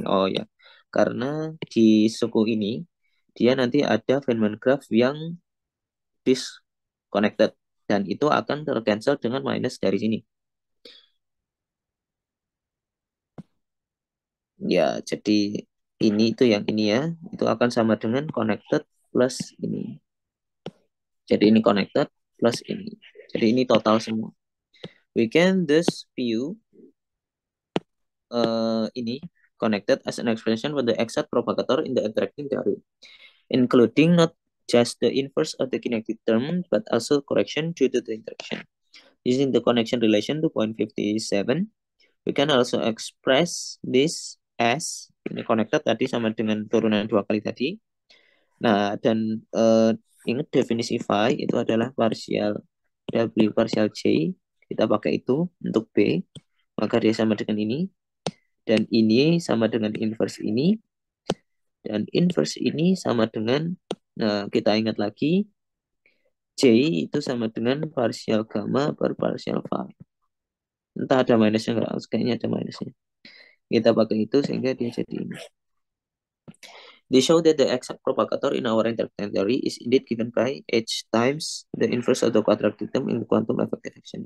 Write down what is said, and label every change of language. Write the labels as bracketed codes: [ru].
[id] Oh ya, karena di suku ini dia nanti ada Feynman graph yang disconnected dan itu akan tercancel dengan minus dari sini. Ya, jadi ini itu yang ini ya, itu akan sama dengan connected plus ini. Jadi ini connected plus ini. Jadi ini total semua. [en] We can thus view ini connected as an expansion with the exact propagator in the attracting theory, including not just the inverse of the connected term, but also correction due to the interaction. Using the connection relation 2.57, we can also express this S [id] ini connected tadi sama dengan turunan dua kali tadi. Nah, dan ingat definisi phi itu adalah parsial W parsial J. Kita pakai itu untuk B, maka dia sama dengan ini. Dan ini sama dengan inverse ini. Dan inverse ini sama dengan, kita ingat lagi, J itu sama dengan parsial gamma per parsial phi. Entah ada minusnya nggak, kayaknya ada minusnya. Kita pakai itu sehingga dia jadi ini. [en] They show that the exact propagator in our interaction theory is indeed given by H times the inverse of the quadratic term in quantum effective action.